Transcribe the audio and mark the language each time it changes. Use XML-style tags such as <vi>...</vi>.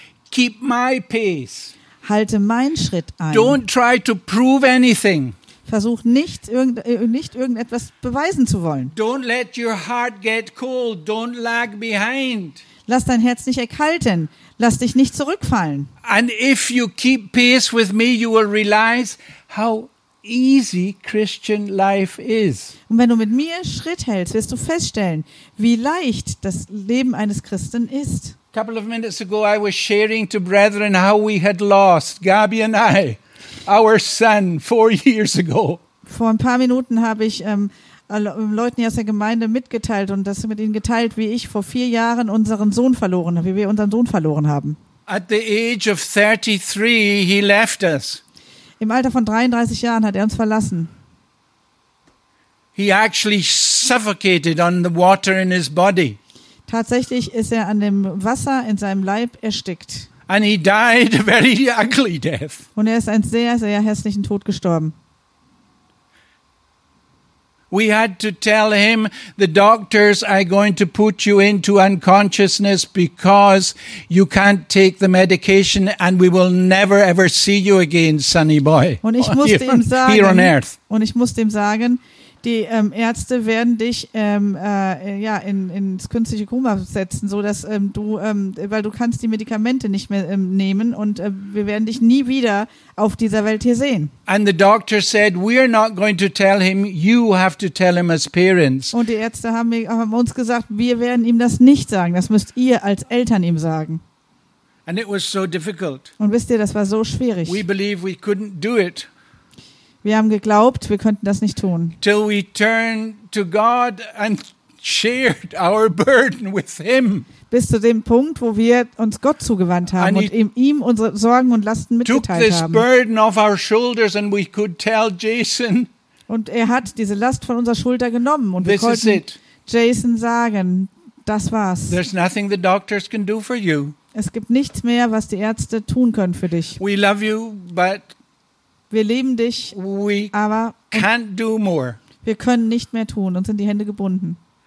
<en>Keep my pace.</en> <de>Halte meinen Schritt ein.</de> <en>Don't try to prove anything.</en> <de>Versuch nicht irgendetwas beweisen zu wollen.</de> <en>Don't let your heart get cold. Don't lag behind.</en> <de>Lass dein Herz nicht erkalten. Lass dich nicht zurückfallen.</de> <en>And if you keep peace with me, you will realize how easy Christian life is.</en> <de>Und wenn du mit mir Schritt hältst, wirst du feststellen, wie leicht das Leben eines Christen ist.</de> <en>A couple of minutes ago, I was sharing to brethren how we had lost Gabi and I. Our son, 4 years ago.</en> <de>Vor ein paar Minuten habe ich Leuten aus der Gemeinde mitgeteilt und das mit ihnen geteilt, wie ich vor 4 Jahren unseren Sohn verloren habe, wie wir unseren Sohn verloren haben.</de> <en>At the age of 33, he left us.</en> <de>Im Alter von 33 Jahren hat er uns verlassen.</de> <en>He actually suffocated on the water in his body.</en> <de>Tatsächlich ist er an dem Wasser in seinem Leib erstickt.</de> <en>And he died a very ugly death.</en> <de>Und er ist einen sehr, sehr hässlichen Tod gestorben.</de> <en>We had to tell him, the doctors are going to put you into unconsciousness because you can't take the medication and we will never ever see you again, Sonny boy.</en> <de>Und ich musste ihm sagen,</de> <en>here on earth.</en> <de>Und ich musste ihm sagen, die Ärzte werden dich ins künstliche Koma setzen, so dass du, weil du kannst die Medikamente nicht mehr nehmen und wir werden dich nie wieder auf dieser Welt hier sehen.</de> <en>And the doctor said, we're not going to tell him. You have to tell him as parents.</en> <de>Und die Ärzte haben uns gesagt, wir werden ihm das nicht sagen. Das müsst ihr als Eltern ihm sagen.</de> <en>And it was so difficult.</en> <de>Und wisst ihr, das war so schwierig.</de> <en>We believe we couldn't do it.</en> <de>Wir haben geglaubt, wir könnten das nicht tun.</de> <en>Till we turned to God and shared our burden with him.</en> <de>Bis zu dem Punkt, wo wir uns Gott zugewandt haben und ihm unsere Sorgen und Lasten mitgeteilt haben.</de> <en>Took this burden off our shoulders and we could tell Jason.</en> <de>Und er hat diese Last von unserer Schulter genommen und wir konnten Jason sagen, das war's.</de> <en>There's nothing the doctors can do for you.</en> <de>Es gibt nichts mehr, was die Ärzte tun können für dich.</de> <en>We love you, but</en> <de>wir lieben dich, aber</de> <en>can't do more.</en> <de>Wir können nicht mehr tun, uns sind die Hände gebunden.</de>